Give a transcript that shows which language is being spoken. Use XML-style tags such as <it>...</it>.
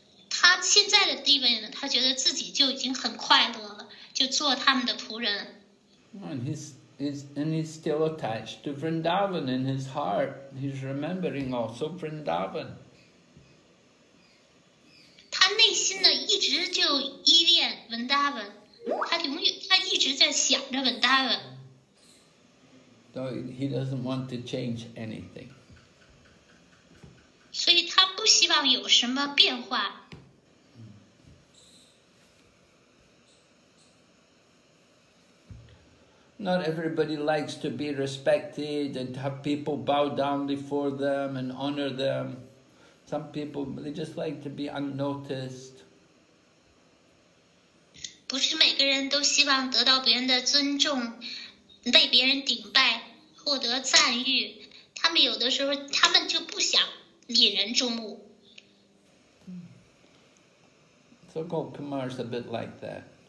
<zh>他现在的地位呢，他觉得自己就已经很快乐了，就做他们的仆人。</zh> <en>And he's still attached to Vrindavan in his heart. He's remembering also Vrindavan.</en> <zh>心呢一直就依恋文达文，他一直在想着文达文。</zh> <en>So he doesn't want to change anything.</en> <zh>所以他不希望有什么变化。</zh> <en>Not everybody likes to be respected and have people bow down before them and honor them. Some people they just like to be unnoticed.</en> <zh>不是每个人都希望得到别人的尊重，被别人顶拜，获得赞誉。他们有的时候，他们就不想引人注目。</zh> <en>So Gopa Kumar is a bit like that.</en>